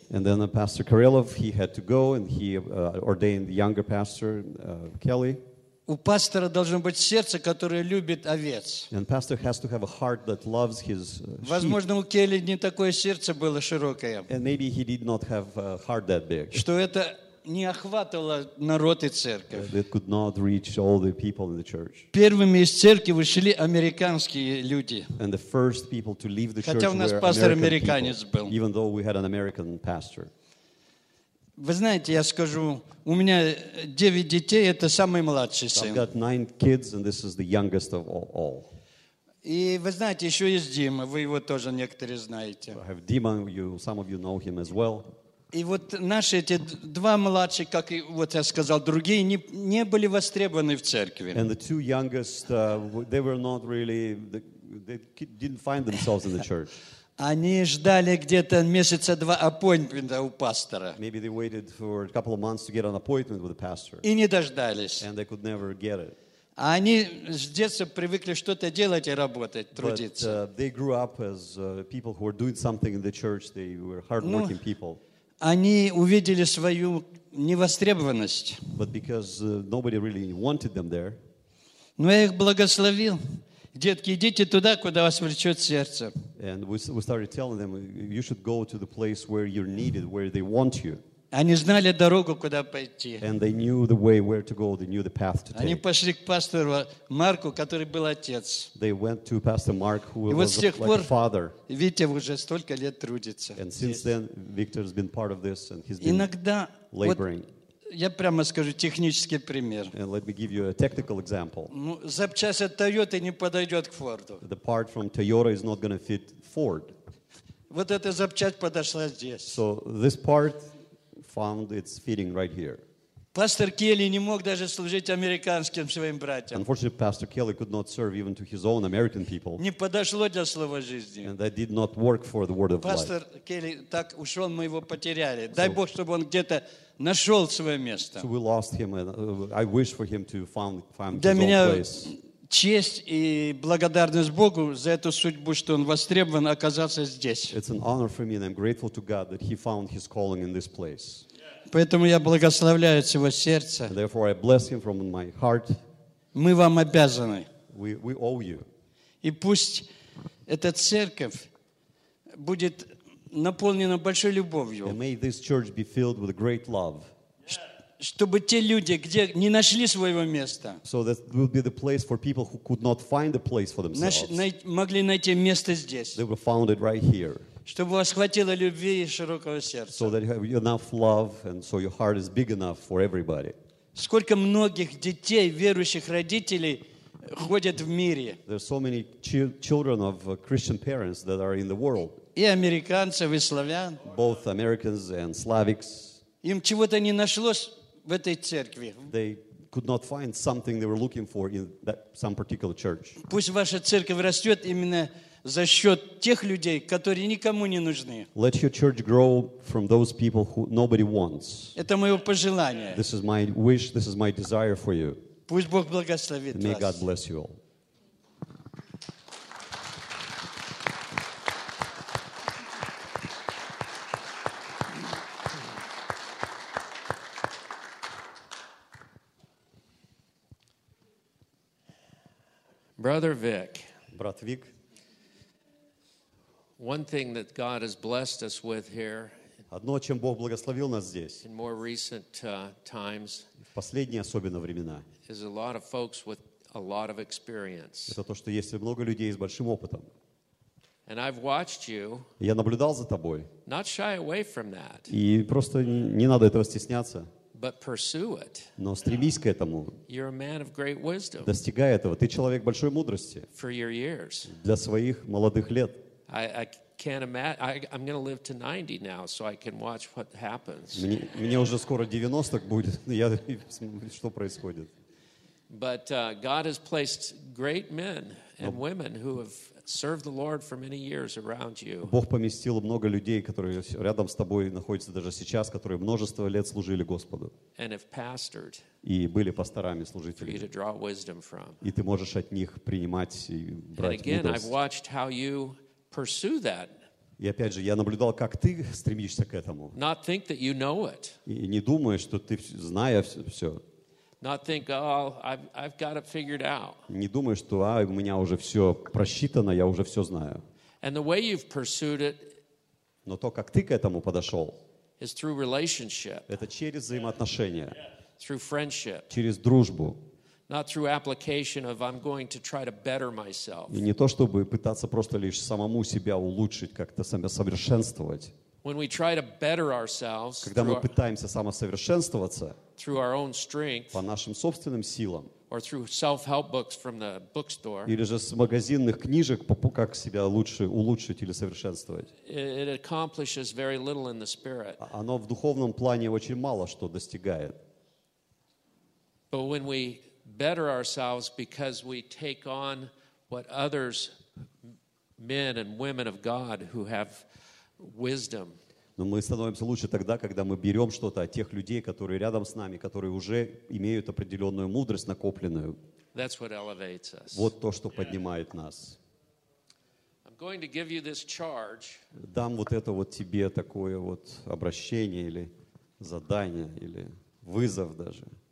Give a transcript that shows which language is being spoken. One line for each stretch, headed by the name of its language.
English: And then the pastor Karelov, he had to go and he ordained the younger pastor Kelly.
Russian: У пастора должно быть сердце, которое любит овец.
English: And pastor has to have a heart that loves his sheep.
Russian: Возможно, у Келли не такое сердце было широкое.
English: And maybe he did not have a heart that big.
Russian: Что это не охватывало народ и церковь.
English: It could not reach all the people in the church.
Russian: Первыми из церкви вышли американские люди.
English: And the first people to leave the church.
Russian: Хотя у нас пастор американец был.
English: Even though we had an American pastor.
Russian: Вы знаете, я скажу, у меня 9 детей, это самый младший сын.
English: I've got 9 kids and this is the youngest of all.
Russian: И вы знаете, еще есть Дима, вы его тоже некоторые знаете.
English: I have Dima, some of you know him as well.
Russian: И вот наши эти два младших, как и вот я сказал, другие не были востребованы в церкви.
English: And the two youngest, they were not really, they didn't find themselves in the church.
Russian: Они ждали где-то месяца два appointment'а у пастора.
English: Maybe they waited for a couple of months to get an appointment with the pastor.
Russian: И не дождались.
English: And they could never get it.
Russian: Они с детства привыкли что-то делать и работать, трудиться.
English: But they grew up as people who were doing something in the church. They were hardworking people.
Russian: Они увидели свою невостребованность.
English: But because nobody really wanted them there.
Russian: Но я их благословил. Детки, идите туда, куда вас влечет сердце.
English: And we started telling them, you should go to the place where you're needed, where they want you.
Russian: Они знали дорогу, куда пойти.
English: And they knew the way where to go, they knew the path to take.
Russian: Они пошли к пастору Марку, который был отец.
English: They went to Pastor Mark, who was like a father.
Russian: Витя уже столько лет трудится.
English: And since then, Victor's been part of this, and he's been laboring.
Russian: Иногда Я прямо скажу технический пример.
English: And let me give you a technical example.
Russian: Ну, запчасть от Toyota не подойдет к Ford.
English: The part from Toyota is not going to fit Ford.
Russian: Вот эта запчасть подошла здесь.
English: So this part found its fitting right here.
Russian: Пастор Келли не мог даже служить американским своим братьям.
English: Unfortunately, Pastor Kelly could not serve even to his own American people.
Russian: Не подошло для слова жизни.
English: And that did not work for the word of life.
Russian: Пастор Келли так ушел, мы его потеряли. Дай Бог, чтобы он где-то нашел свое место.
English: So we lost him, and I wish for him to find his own place.
Russian: Честь и благодарность Богу за эту судьбу, что он востребован, оказался здесь.
English: It's an honor for me, and I'm grateful to God that he found his calling in this place.
Russian: Поэтому я благословляю его сердце.
English: Therefore, I bless him from my heart.
Russian: Мы вам обязаны.
English: We owe you.
Russian: И пусть эта церковь будет наполнена большой любовью.
English: And may this church be filled with great love.
Russian: Чтобы те люди, где не нашли своего места,
English: so that will be the place for people who could not find a place for themselves.
Russian: Могли найти место здесь.
English: They were found it right here.
Russian: Чтобы у вас хватило любви и широкого сердца.
English: So that you have enough love and so your heart is big enough for everybody.
Russian: Сколько многих детей верующих родителей ходят в мире.
English: There are so many children of Christian parents that are in the world.
Russian: И американцев, и славян.
English: Both Americans and Slavics.
Russian: Им чего-то не нашлось в этой церкви.
English: They could not find something they were looking for in that some particular church.
Russian: Пусть ваша церковь растет именно за счет тех людей, которые никому не нужны.
English: Let your church grow from those people who nobody wants.
Russian: Это мое пожелание.
English: This is my wish, this is my desire for you.
Russian: Пусть Бог благословит вас.
English: May God bless you all. Brother Vic.
Russian: Брат Вик.
English: One thing that God has blessed us with here.
Russian: Одно, чем Бог благословил нас здесь.
English: In more recent times.
Russian: В последние особенно времена.
English: Is a lot of folks with a lot of experience.
Russian: Это то, что есть много людей с большим опытом.
English: And I've watched you.
Russian: Я наблюдал за тобой.
English: Not shy away from that.
Russian: И просто не надо этого стесняться.
English: But pursue it.
Russian: Но стремись к этому.
English: You're a man of great wisdom.
Russian: Достигай этого. Ты человек большой мудрости.
English: For your years.
Russian: Для своих молодых лет.
English: I can't imagine. I'm going to live to 90 now, so I can watch what happens.
Russian: Мне уже скоро 90 будет. Я что происходит?
English: But God has placed great men and women who have served the Lord for many years around you.
Russian: Бог поместил много людей, которые рядом с тобой находятся даже сейчас, которые множество лет служили Господу.
English: And have pastored.
Russian: И были пасторами, служителями.
English: For you to draw wisdom from.
Russian: И ты можешь от них принимать и брать мудрость.
English: And again, I've watched how you pursue that.
Russian: И опять же, я наблюдал, как ты стремишься к этому.
English: Not think that you know it.
Russian: И не думаешь, что ты зная все.
English: Not think, oh, I've got it figured out.
Russian: Не думаешь, что у меня уже все просчитано, я уже все знаю.
English: And the way you've pursued it.
Russian: Но то, как ты к этому подошел.
English: Is through relationship.
Russian: Это через взаимоотношения.
English: Through friendship.
Russian: Через дружбу.
English: Not through application of I'm going to try to better myself.
Russian: И не то, чтобы пытаться просто лишь самому себя улучшить, как-то себя совершенствовать.
English: When we try to better ourselves,
Russian: когда мы пытаемся самосовершенствоваться,
English: through our own strength,
Russian: по нашим собственным силам,
English: or through self-help books from the bookstore,
Russian: или же с магазинных книжек, как себя лучше улучшить или совершенствовать,
English: it accomplishes very little in the spirit.
Russian: Оно в духовном плане очень мало что достигает.
English: But when we better ourselves because we take on what others, men and women of God who have wisdom.
Russian: Но мы становимся лучше тогда, когда мы берем что-то от тех людей, которые рядом с нами, которые уже имеют определенную мудрость накопленную.
English: That's what elevates us.
Russian: Вот то, что поднимает нас.
English: I'm going to give you this charge.
Russian: Дам вот это вот тебе такое вот обращение или задание или вызов даже.